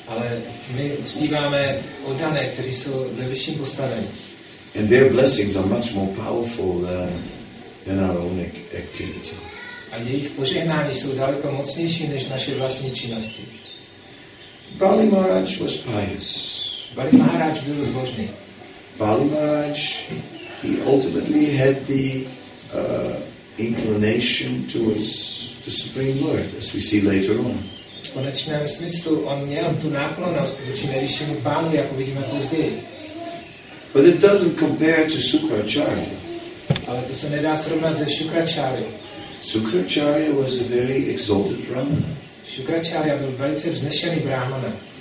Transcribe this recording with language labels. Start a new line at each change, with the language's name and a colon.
Czech: Ale my uctíváme oddané, kteří jsou ve vyšším postavení.
English: And their blessings are much more powerful than our own activity.
Czech: A jejich požehnání jsou daleko mocnější než naše vlastní činnosti.
English: Bali Maharaj was pious.
Czech: Bali Maharaj byl zbožný.
English: Bali Maharaj, he ultimately had the inclination towards the Supreme Lord, as we see later on.
Czech: V konečném smyslu on měl tu náklonost vůči nejvyššímu pánu, jak uvidíme později.
English: But it doesn't compare to Sukracharya.
Czech: Ale to se nedá srovnat se Sukracharya.
English: Sukracharya was a very exalted brahmana.
Czech: Sukracharya byl velice vznešený brahmana.